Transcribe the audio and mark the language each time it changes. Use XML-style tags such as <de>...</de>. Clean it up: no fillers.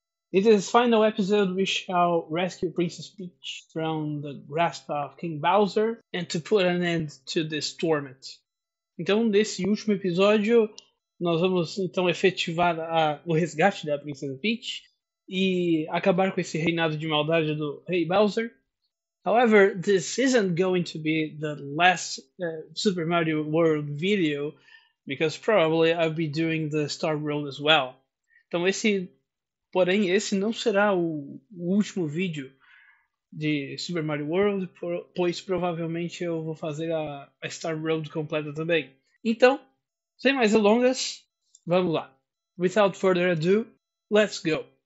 <en>In this final episode, we shall rescue Princess Peach from the grasp of King Bowser and to put an end to this torment.</en> <pt>Então, nesse último episódio, nós vamos então efetivar o resgate da Princesa Peach e acabar com esse reinado de maldade do Rei Bowser.</pt> <en>However, this isn't going to be the last Super Mario World video, because probably I'll be doing the Star World as well.</en> <pt>Então esse não será o último vídeo de Super Mario World, pois provavelmente eu vou fazer a Star World completa também. Então, sem mais delongas, vamos lá.</pt> <en>Without further ado, let's go.</en>